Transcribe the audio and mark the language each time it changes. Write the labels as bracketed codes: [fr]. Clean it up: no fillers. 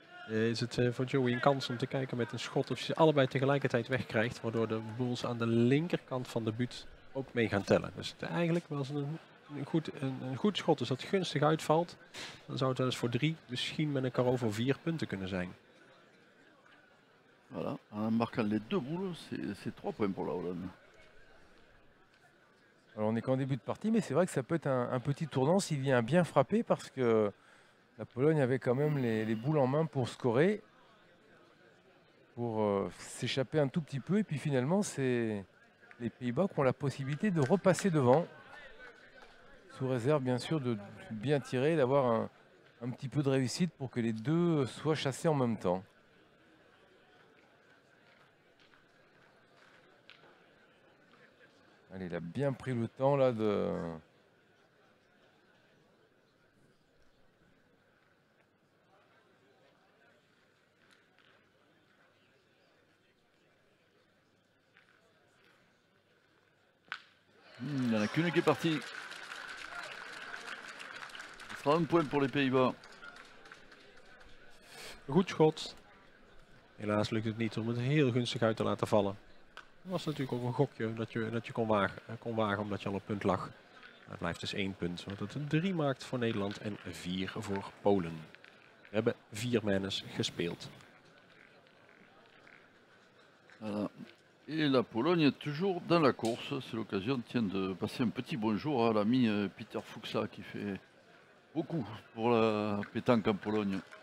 [nl] Is het voor Joey een kans om te kijken met een schot of je ze allebei tegelijkertijd wegkrijgt, waardoor de Bulls aan de linkerkant van de buurt ook mee gaan tellen. Dus het eigenlijk was een goed schot, dus dat gunstig uitvalt, dan zou het wel eens voor 3, misschien met een carreau voor 4 punten kunnen zijn. [fr] Voilà, en marquant les deux boules, c'est 3 points pour la Hollande. Alors on est qu'en début de partie, mais c'est vrai que ça peut être un petit tournant s'il vient bien frapper, parce que la Pologne avait quand même les boules en main pour scorer, pour s'échapper un tout petit peu, et puis finalement c'est les Pays-Bas qui ont la possibilité de repasser devant, sous réserve bien sûr de bien tirer, d'avoir un petit peu de réussite pour que les deux soient chassés en même temps. Allez, il a bien pris le temps là de... Il n'y en a qu'une qui est partie. Ce sera un point pour les Pays-Bas. [nl] Goed schot. Helaas lukt het niet om het heel gunstig uit te laten vallen. Het was natuurlijk ook een gokje dat je kon wagen omdat je al op punt lag. Het blijft dus 1 punt, zodat het 3 maakt voor Nederland en 4 voor Polen. We hebben 4 manes gespeeld. [fr] Voilà. Et la Pologne est toujours dans la course. C'est l'occasion, tiens, de passer un petit bonjour à l'ami Peter Fuxa qui fait beaucoup pour la pétanque en Pologne.